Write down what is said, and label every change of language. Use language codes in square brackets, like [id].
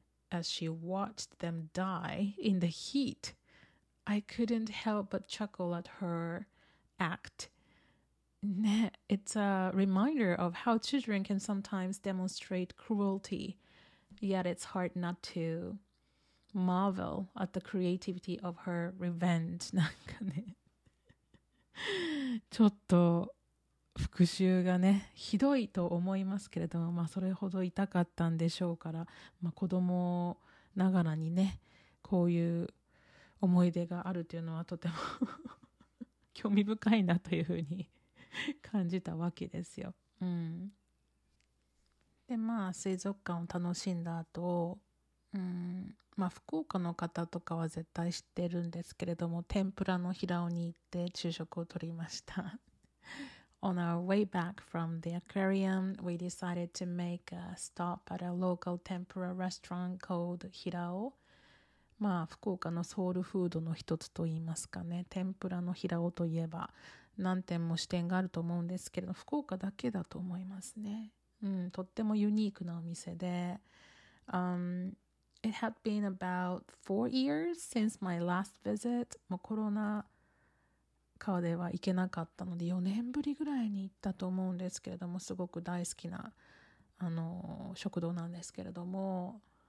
[en] As she watched them die in the heat, I couldn't help but chuckle at her act. ね、It's a reminder of how children can sometimes demonstrate cruelty, yet it's hard not to marvel at the creativity of her revenge. [ja] なんかね、ちょっと復讐がね、ひどいと思いますけれども、まあ、それほど痛かったんでしょうから、まあ、子供ながらにね、こういう思い出があるというのはとても興味深いなというふうに感じたわけですよ、でまあ水族館を楽しんだ後、まあ福岡の方とかは絶対知ってるんですけれども、天ぷらの平尾に行って昼食を取りました。 [en] On our way back from the aquarium, we decided to make a stop at a local tempura restaurant called 平尾。 [ja] まあ福岡のソウルフードの一つといいますかね、天ぷらの平尾といえば何店も支店があると思うんですけれど、福岡だけだと思いますね。とってもユニークなお店で、 [en] It had been about 4 years since my last visit. [ja] もうコロナ禍では行けなかったので4年ぶりぐらいに行ったと思うんですけれども、すごく大好きな食堂なんですけれども、